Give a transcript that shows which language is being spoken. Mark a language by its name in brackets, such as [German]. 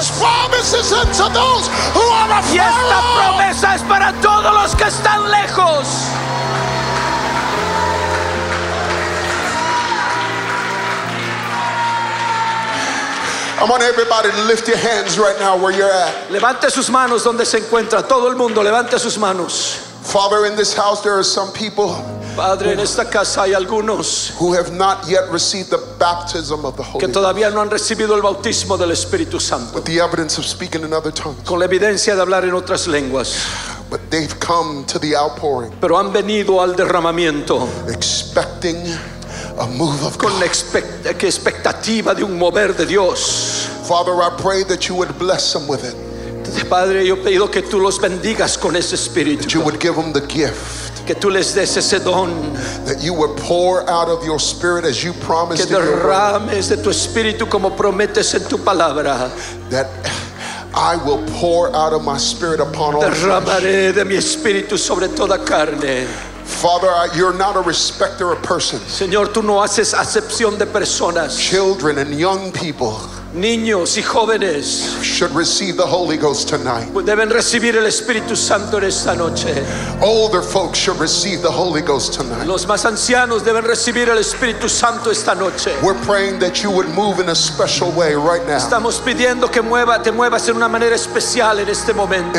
[English] This promise is unto those who are afar. [Spanish] Y esta promesa es para todos los que están lejos. [English] I want everybody to lift your hands right now where you're at. [Spanish] Levante sus manos donde se encuentra. Todo el mundo, levante sus manos. [English] Father, in this house there are some people. [Spanish] Padre, en esta casa hay algunos [English] who have not yet received the baptism of the Holy Ghost. [Spanish] Que todavía no han recibido el bautismo del Espíritu Santo. [English] With the evidence of speaking in other tongues. [Spanish] Con la evidencia de hablar en otras lenguas. [English] But they've come to the outpouring. [Spanish] Pero han venido al derramamiento. [English] Expecting a move of God. [Spanish] Con la expectativa de un mover de Dios. [English] Father, I pray that you would bless them with it. [Spanish] Padre, yo pido que tú los bendigas con ese espíritu. [English] That you would give them the gift. [Spanish] Que tú les des ese don. [English] That you would pour out of your spirit as you promised. [Spanish] Que derrames de tu espíritu como prometes en tu palabra. [English] That I will pour out of my spirit upon all. [Spanish] Derramaré de mi espíritu sobre toda carne. [English] Father, you're not a respecter of persons. [Spanish] Señor, tú no haces acepción de personas. [English] Children and young people. [Spanish] Niños y jóvenes [English] should receive the Holy Ghost tonight. [Spanish] Deben recibir el Espíritu Santo en esta noche. [English] Older folks should receive the Holy Ghost tonight. [Spanish] Los más ancianos deben recibir el Espíritu Santo esta noche. [English] We're praying that you would move in a special way right now. [Spanish] Estamos pidiendo que te muevas en una manera especial en este momento.